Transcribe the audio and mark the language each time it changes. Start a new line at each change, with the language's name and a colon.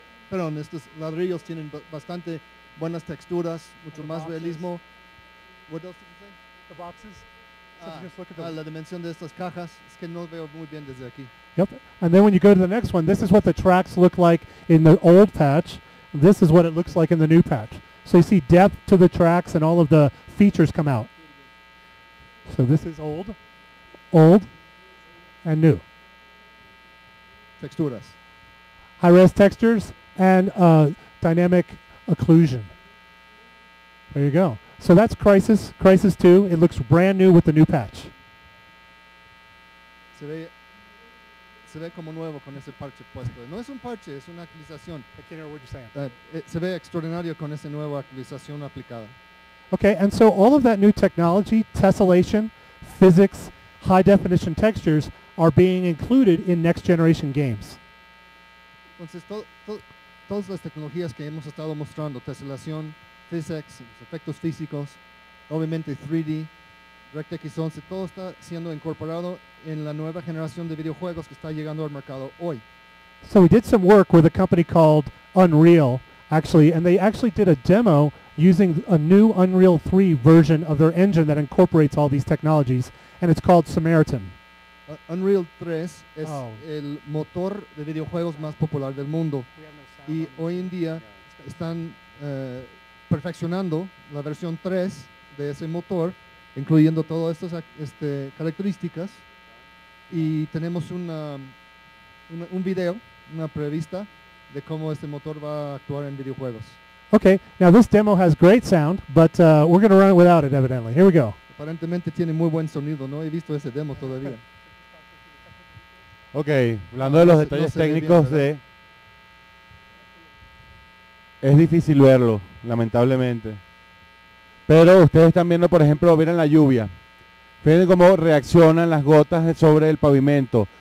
Spanish: Perdón, estos ladrillos tienen bastante buenas texturas, mucho más
English: boxes.
Spanish: Realismo.
English: What else did you say? The boxes.
Spanish: La dimensión de estas cajas, es que no veo muy bien desde aquí.
English: Yep. And then when you go to the next one, this is what the tracks look like in the old patch. This is what it looks like in the new patch. So you see depth to the tracks and all of the features come out. So this is old. Old. And new.
Spanish: Texturas.
English: High-res textures and dynamic occlusion. There you go. So that's Crisis, Crisis 2. It looks brand new with the new patch.
Spanish: Se ve como nuevo con ese parche puesto. No es un parche, es una actualización.
English: I can't hear what you're saying.
Spanish: Se ve extraordinario con esa nueva actualización aplicada.
English: Okay, and so all of that new technology, tessellation, physics, high-definition textures, are being included in next-generation games.
Spanish: Entonces, todas las tecnologías que hemos estado mostrando, tessellation, physics, los efectos físicos, obviamente 3D, DirectX 11, todo está siendo incorporado en la nueva generación de videojuegos que está llegando al mercado hoy.
English: So we did some work with a company called Unreal, actually, and they actually did a demo using a new Unreal 3 version of their engine that incorporates all these technologies, and it's called Samaritan.
Spanish: Unreal 3 es el motor de videojuegos más popular del mundo. Y hoy en día están perfeccionando la versión 3 de ese motor, incluyendo todas estas características. Y tenemos un video, una prevista de cómo este motor va a actuar en videojuegos.
English: Okay, now this demo has great sound, but we're going to run it without it, evidently. Here we go.
Spanish: Aparentemente tiene muy buen sonido, no he visto ese demo todavía. Ok, hablando de los detalles técnicos, es difícil verlo, lamentablemente. Pero ustedes están viendo, por ejemplo, miren la lluvia. Miren cómo reaccionan las gotas sobre el pavimento.